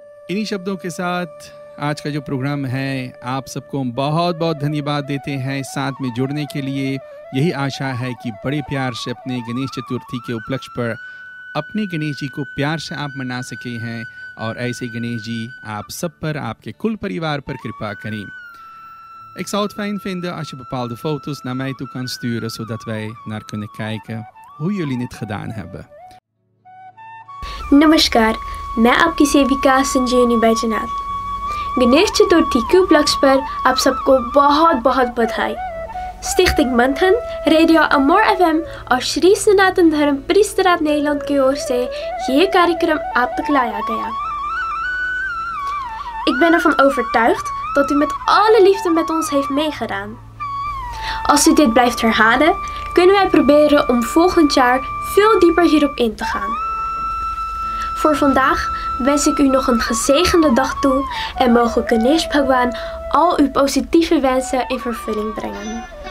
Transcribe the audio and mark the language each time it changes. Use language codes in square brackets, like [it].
[hi] इन्हीं शब्दों के साथ आज का जो प्रोग्राम है आप सबको हम बहुत बहुत धन्यवाद देते हैं साथ में जुड़ने के लिए। यही आशा है कि बड़े प्यार से अपने गणेश चतुर्थी के उपलक्ष पर अपने गणेश जी को प्यार से आप मना सके हैं और ऐसे गणेश जी आप सब पर आपके कुल परिवार पर कृपा करें। [nl] Ik zou het fijn vinden als je bepaalde foto's naar mij toe kan sturen, zodat wij naar kunnen kijken hoe jullie het gedaan hebben. [hi] Namaskar, मैं आपकी सेविका संजीवनी बैजनाथ। गणेश चतुर्थी के उपलक्ष्य पर आप सबको बहुत बहुत बधाई। स्टिक्टिंग मंथन रेडियो अमोर एफएम और श्री सनातन धर्म परिसरात नेलंद की ओर से ये कार्यक्रम आप तक लाया गया। [nl] Ik ben ervan overtuigd dat u met alle liefde met ons heeft meegedaan. Als u dit blijft herhalen, kunnen wij proberen om volgend jaar veel dieper hierop in te gaan. Voor vandaag wens ik u nog een gezegende dag toe en mogen Ganesh Bhagwan al uw positieve wensen in vervulling brengen.